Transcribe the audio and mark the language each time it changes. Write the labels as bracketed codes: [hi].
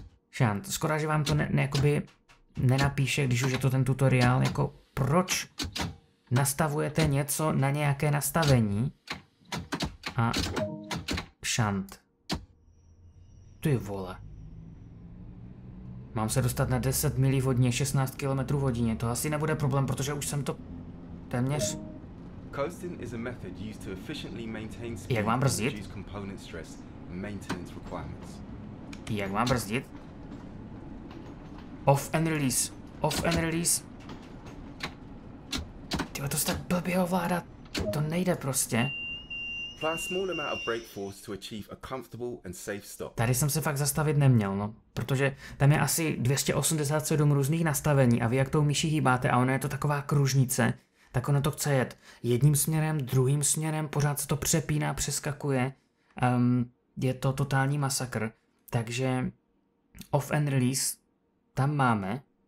[cs] Šant, skoro, že vám to nenapíše, když už je to ten tutoriál, jako proč nastavujete něco na nějaké nastavení. A šant. Ty vole. Mám se dostat na 10 milí v hodině, 16 km v hodině. To asi nebude problém, protože už jsem to téměř... [en] Coasting is a method used to efficiently maintain speed and reduce component stress and maintenance requirements. [cs] Jak mám brzdit? [en] Off and release. Off and release. [cs] Tyhle, to se tak blbě ovládá. To nejde prostě. [en] Apply a small amount of brake force to achieve a comfortable and safe stop. [cs] Tady jsem se fakt zastavit neměl, no. Protože tam je asi 287 různých nastavení a vy jak tou myší hýbáte a ono je to taková kružnice, tak ono to chce jet jedním směrem, druhým směrem, pořád se to přepíná, přeskakuje. Je to totální masakr. Takže [en] off and release [cs] tam máme.